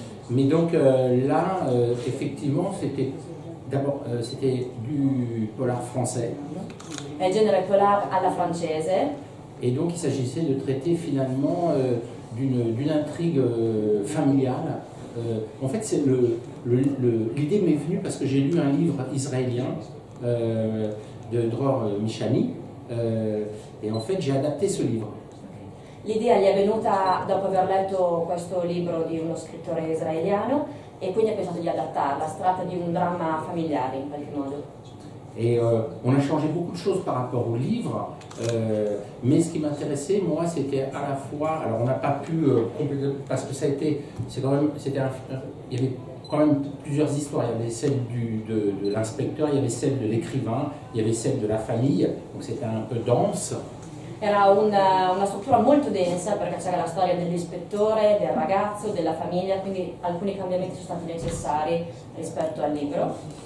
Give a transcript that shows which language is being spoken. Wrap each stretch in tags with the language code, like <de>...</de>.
<fr>Mais donc là, effectivement, c'était d'abord du polar français.</fr> <it>È il genere polar alla francese.</it> <fr>Et donc, il s'agissait de traiter finalement d'une intrigue familiale. En fait, c'est l'idée m'est venue parce que j'ai lu un livre israélien de Dror Mishani. Et en fait, j'ai adapté ce livre.</fr> <it>L'idea gli è venuta dopo aver letto questo libro di uno scrittore israeliano e quindi ha pensato di adattarla. Si tratta di un dramma familiare in qualche modo.</it> <fr>Et on a changé beaucoup de choses par rapport au livre, mais ce qui m'intéressait, moi, c'était à la fois. Alors, on n'a pas pu compléter, parce que ça a été. C'est quand même. Il y avait quand même plusieurs histoires. Il y avait celle de l'inspecteur, il y avait celle de l'écrivain, il y avait celle de la famille. Donc, c'était un peu dense.</fr> <it>Era una struttura molto densa perché c'era la storia dell'ispettore, del ragazzo, della famiglia, quindi alcuni cambiamenti sono stati necessari rispetto al libro.</it>